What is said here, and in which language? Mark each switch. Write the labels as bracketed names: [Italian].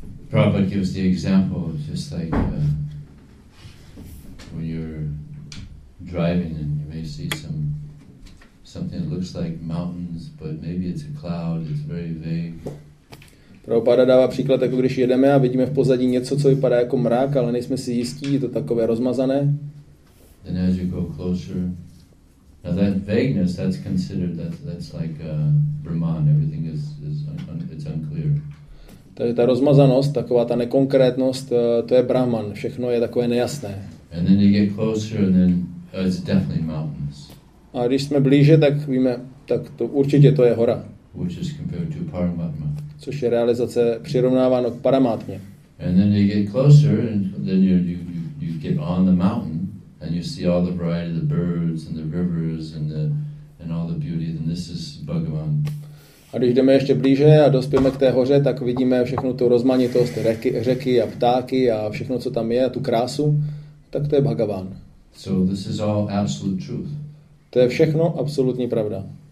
[English] Prabhupada gives the example just like when you're driving and you may see something that looks like mountains, but maybe it's a cloud, it's very vague. [Czech] Prabhupada dává příklad, jako když jedeme a vidíme v pozadí něco, co vypadá jako mrak, ale nejsme si jistí, je to takové rozmazané. [English] Then as you go closer, now that vagueness, that's considered, that's like Brahman, everything it's unclear. [Czech] Takže ta rozmazanost, taková ta nekonkrétnost, to je Brahman, všechno je takové nejasné. [English] And then you get closer and then it's definitely mountains. [Czech] A když jsme blíže, tak víme, tak to určitě to je hora. [English] Which is compared to Paramatma. [Czech] Což je realizace přirovnáváno k Paramatmě. [English] And then you get closer and then you get on the mountain and you see all the variety of the birds and the rivers and all the beauty, then this is Bhagavan. [Czech] A když jdeme ještě blíže a dospějeme k té hoře, tak vidíme všechnu tu rozmanitost, řeky a ptáky a všechno, co tam je, a tu krásu, tak to je Bhagavan. [English] So this is all absolute truth. [Czech] To je všechno absolutní pravda.